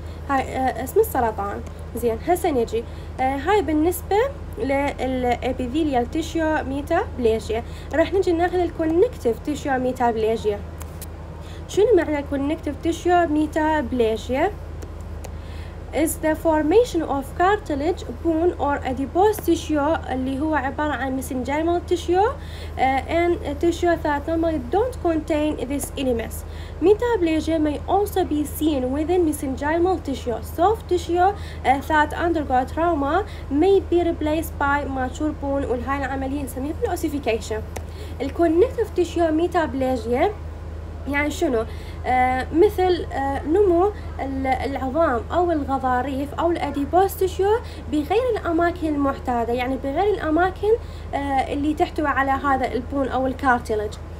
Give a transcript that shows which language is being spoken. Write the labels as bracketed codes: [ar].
[ar] هاي اسم السرطان. زين هسه نجي هاي بالنسبه للابيثيليال تيشو ميتابليجيا. راح نجي ناخذ الكونكتيف تيشو ميتابليجيا. شنو معنى الكونكتيف تيشو ميتابليجيا؟ [en] is the formation of cartilage, bone or adipose tissue [ar] اللي هو عبارة عن [en] mesenchymal tissue and tissue that normally don't contain these elements. Metaplasia may also be seen within mesenchymal tissue. Soft tissue that undergo trauma may be replaced by mature bone [ar] والهاي العملية نسميها [en] ossification. The connective tissue metaplasia [ar] يعني شنو؟ مثل نمو العظام أو الغضاريف أو الأديبوس تيشو بغير الأماكن المعتادة، يعني بغير الأماكن اللي تحتوي على هذا البون أو الكارتيلج.